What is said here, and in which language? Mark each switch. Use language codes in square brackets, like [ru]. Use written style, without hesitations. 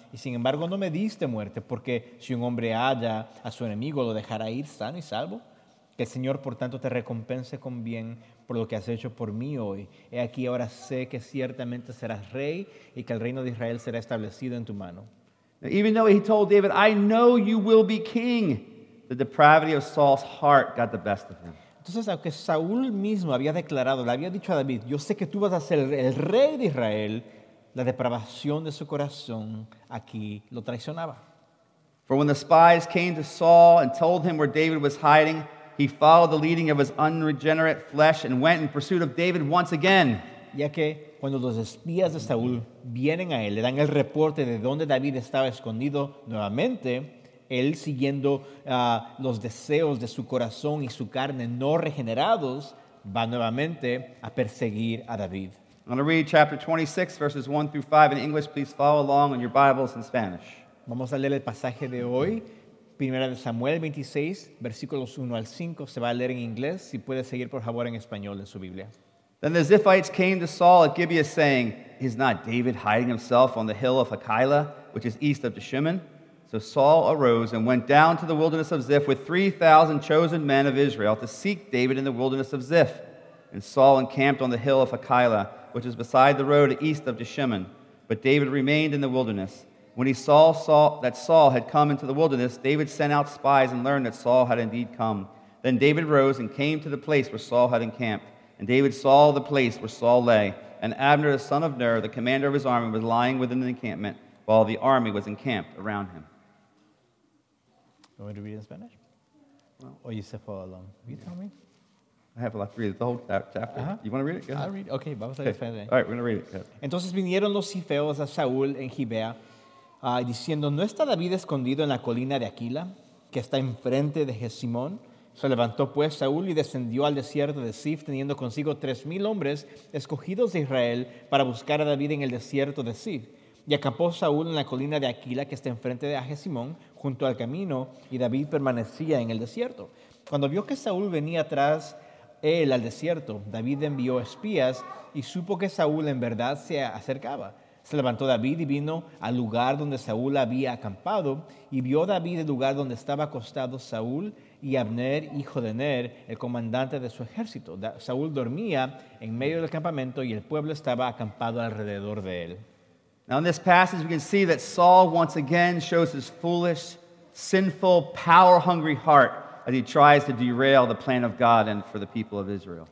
[es] Y sin embargo, no me diste muerte, porque si un hombre halla a su enemigo, lo dejará ir sano y salvo. Que el Señor, por tanto, te recompense con bien por lo que has hecho por mí hoy. He aquí, ahora sé que ciertamente serás rey y que el reino de Israel será establecido en tu mano. [en] Even though he told David, I know you will be king. The depravity of Saul's heart got the best of him. [es] Entonces, aunque Saúl mismo había declarado, le había dicho a David, yo sé que tú vas a ser el rey de Israel, la depravación de su corazón aquí lo traicionaba. [en] For when the spies came to Saul and told him where David was hiding, he followed the leading of his unregenerate flesh and went in pursuit of David once again. [es] Ya que cuando los espías de Saúl vienen a él, le dan el reporte de dónde David estaba escondido nuevamente, él siguiendo los deseos de su corazón y su carne no regenerados, va nuevamente a perseguir a David. [en] I'm going to read chapter 26, verses 1 through 5 in English. Please follow along in your Bibles in Spanish. [es] Vamos a leer el pasaje de hoy. Primera de Samuel 26, versículos 1 al 5. Se va a leer en inglés. Si puede seguir, por favor, en español en su Biblia. [en] Then the Ziphites came to Saul at Gibeah, saying, is not David hiding himself on the hill of Hakilah, which is east of Deshimon? So Saul arose and went down to the wilderness of Ziph with 3,000 chosen men of Israel to seek David in the wilderness of Ziph. And Saul encamped on the hill of Hakilah, which is beside the road east of Deshimon. But David remained in the wilderness. When he saw that Saul had come into the wilderness, David sent out spies and learned that Saul had indeed come. Then David rose and came to the place where Saul had encamped. And David saw the place where Saul lay. And Abner, the son of Ner, the commander of his army, was lying within the encampment, while the army was encamped around him. You want me to read in Spanish? Well, or you said follow along? Will you tell me? I have a lot to read, the whole chapter. Uh-huh. You want to read it? I'll read it. [es] Okay, vamos a leer. [en] All right, we're going to read it. Yeah. [es] Entonces vinieron los cifeos a Saúl en Gibea, diciendo, ¿no está David escondido en la colina de Aquila, que está enfrente de Jesimón? Se levantó pues Saúl y descendió al desierto de Zif, teniendo consigo 3,000 hombres escogidos de Israel para buscar a David en el desierto de Zif. Y acampó Saúl en la colina de Aquila, que está enfrente de Jesimón, junto al camino, y David permanecía en el desierto. Cuando vio que Saúl venía atrás él al desierto, David envió espías y supo que Saúl en verdad se acercaba. Se levantó David y vino al lugar donde Saúl había acampado, y vio David el lugar donde estaba acostado Saúl y Abner, hijo de Ner, el comandante de su ejército. Saúl dormía en medio del campamento y el pueblo estaba acampado alrededor de él. [en] Now in this passage we can see that Saul once again shows his foolish, sinful, power-hungry heart as he tries to derail the plan of God and for the people of Israel.